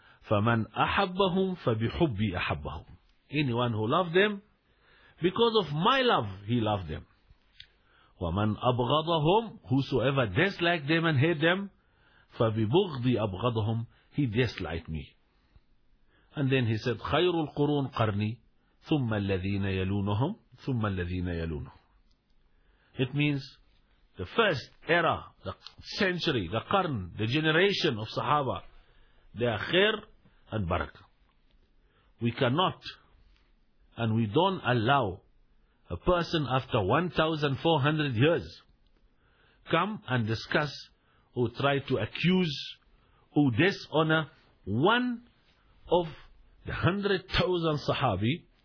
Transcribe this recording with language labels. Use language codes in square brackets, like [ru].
[ar] فَمَنْ أَحَبَّهُمْ فَبِحُبِّي أَحَبَّهُمْ, [en] anyone who loved them, because of my love, he loved them. [ar] وَمَنْ أَبْغَضَهُمْ, [en] whosoever disliked them and hate them, [ar] فَبِبُغْضِي أَبْغَضَهُمْ, [en] he disliked me. And then he said, [ar] خَيْرُ الْقُرُونَ قَرْنِي, ثم الذين يلونهم ثم الذين يلونهم. [en] It means the first era, the century, the qarn, the generation of Sahaba, they are khair and barakah. We cannot and we don't allow a person after 1,400 years come and discuss or try to accuse or dishonor one of the 100,000 Sahabi.